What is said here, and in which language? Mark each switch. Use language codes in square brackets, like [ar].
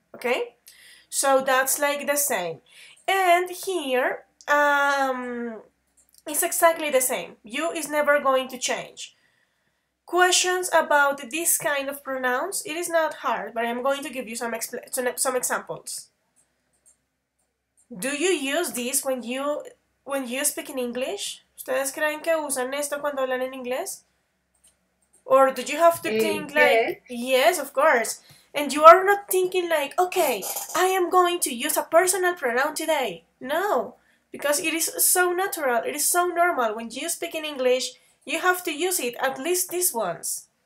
[en] Okay? So that's like the same. And here, it's exactly the same. You is never going to change. Questions about this kind of pronouns? It is not hard, but I'm going to give you some examples. Do you use this when you speak in English? [es] ¿Ustedes creen que usan esto cuando hablan en inglés? [en] Or do you have to think like, yes, of course. And you are not thinking like, okay, I am going to use a personal pronoun today. No, because it is so natural, it is so normal. When you speak in English, you have to use it, at least these ones.